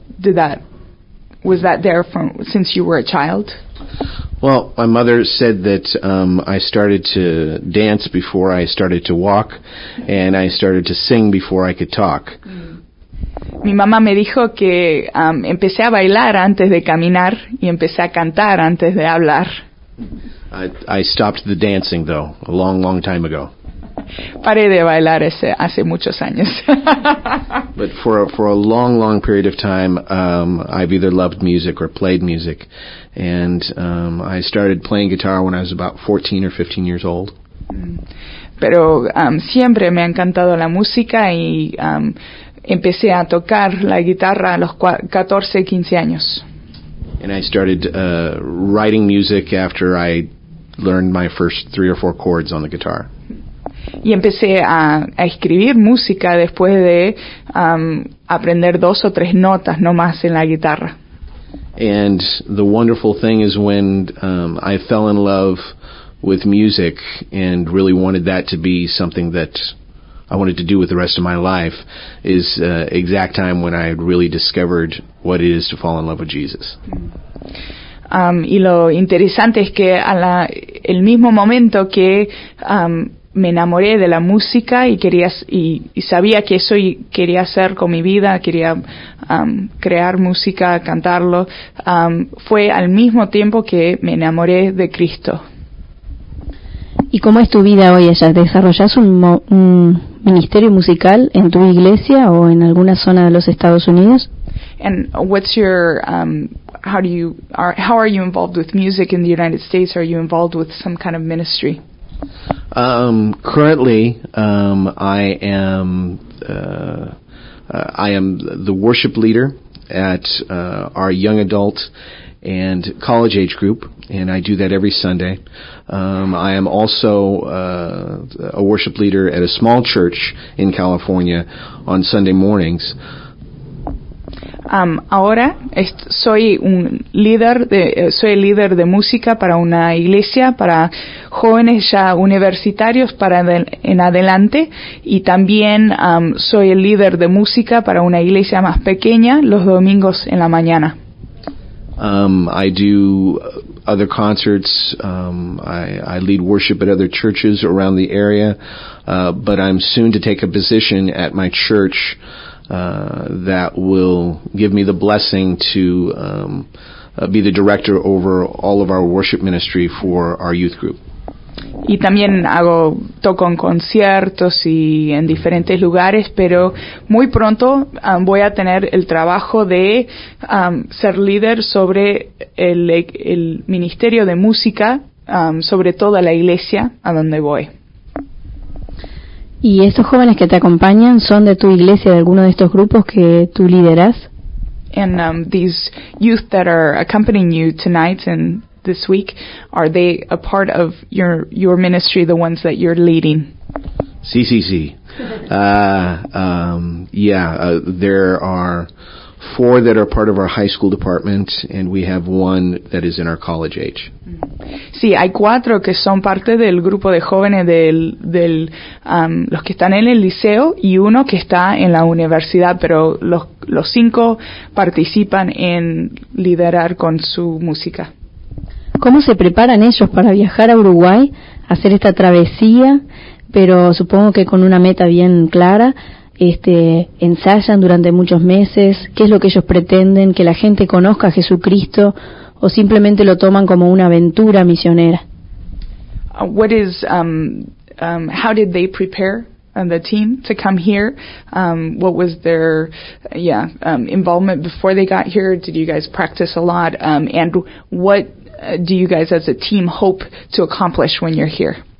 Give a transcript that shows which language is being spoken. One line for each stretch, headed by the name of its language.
English: Did that, was that there from since you were a child? Well, my mother said that I started to dance before I started to walk, and I started to sing before I could talk.
Spanish: Mi mamá me dijo que empecé a bailar antes de caminar y empecé a cantar antes de hablar.
English: I stopped the dancing though a long, long time ago.
Spanish: Paré de bailar hace muchos años.
English: But for a long, long period of time, I've either loved music or played music. And I started playing guitar when I was about 14 or 15 years old.
Spanish: Pero siempre me ha encantado la música y empecé a tocar la guitarra a los 14, 15 años.
English: And I started writing music after I learned my first 3 or 4 chords on the guitar.
Spanish: Y empecé a escribir música después de aprender 2 o 3 notas, no más, en la guitarra.
English: And the wonderful thing is when I fell in love with music and really wanted that to be something that I wanted to do with the rest of my life is exact time when I really discovered what it is to fall in love with Jesus.
Spanish: Y lo interesante es que el mismo momento que me enamoré de la música y sabía que eso quería hacer con mi vida, quería crear música, cantarlo, fue al mismo tiempo que me enamoré de Cristo. ¿Y cómo es tu vida hoy? ¿Desarrollas un ministerio musical en tu iglesia o en alguna zona de los Estados Unidos?
English: And what's your how are you involved with music in the United States? Are you involved with some kind of ministry? Currently, I am the worship leader at our young adult and college age group, and I do that every Sunday. I am also a worship leader at a small church in California on Sunday mornings.
Spanish: Ahora soy el líder de música para una iglesia, para jóvenes ya universitarios en adelante, y también soy el líder de música para una iglesia más pequeña los domingos en la mañana.
English: I do other concerts, I lead worship at other churches around the area, but I'm soon to take a position at my church that will give me the blessing to be the director over all of our worship ministry for our youth group.
Spanish: Y también toco en conciertos y en diferentes lugares, pero muy pronto voy a tener el trabajo de ser líder sobre el ministerio de música, sobre toda la iglesia a donde voy. ¿Y estos jóvenes que te acompañan son de tu iglesia, de alguno de estos grupos que tú lideras?
English: And these youth that are accompanying you tonight and this week, are they a part of your ministry, the ones that you're leading?
Spanish: Sí.
English: There are 4 that are part of our high school department, and we have 1 that is in our college age.
Spanish: Sí, hay 4 que son parte del grupo de jóvenes del los que están en el liceo y 1 que está en la universidad, pero los 5 participan en liderar con su música. ¿Cómo se preparan ellos para viajar a Uruguay, hacer esta travesía, pero supongo que con una meta bien clara? Ensayan durante muchos meses. ¿Qué es lo que ellos pretenden? ¿Que la gente conozca a Jesucristo o simplemente lo toman como una aventura misionera?
English: What is how did they prepare the team to come here? What was their involvement before they got here? Did you guys practice a lot? And what do you guys as a team hope to accomplish when you're here?